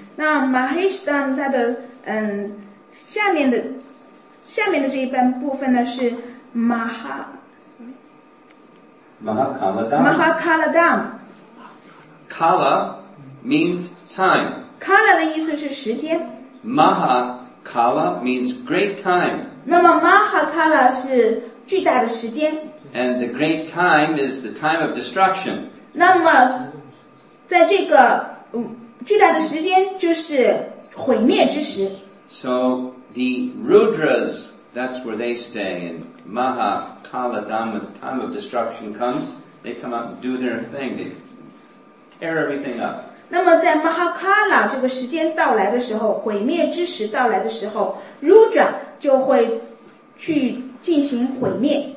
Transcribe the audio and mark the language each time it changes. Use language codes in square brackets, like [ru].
[zh] 那 Maheshdam 它的下面的这一半部分呢是 Mahakala Dam. [en] Kala means time. [zh] Kala 的意思是时间。 [en] Mahakala means great time. [zh] 那么 Mahakala 是巨大的时间。 [en] And the great time is the time of destruction. [zh] 那么在这个巨大的时间就是毁灭之时。 [en] So the Rudras, that's where they stay. And Mahakala Dam, when the time of destruction comes, they come up and do their thing. They,air everything up. [zh] 那么在 Mahakala 这个时间到来的时候，毁灭之时到来的时候， Rudra 就会去进行毁灭。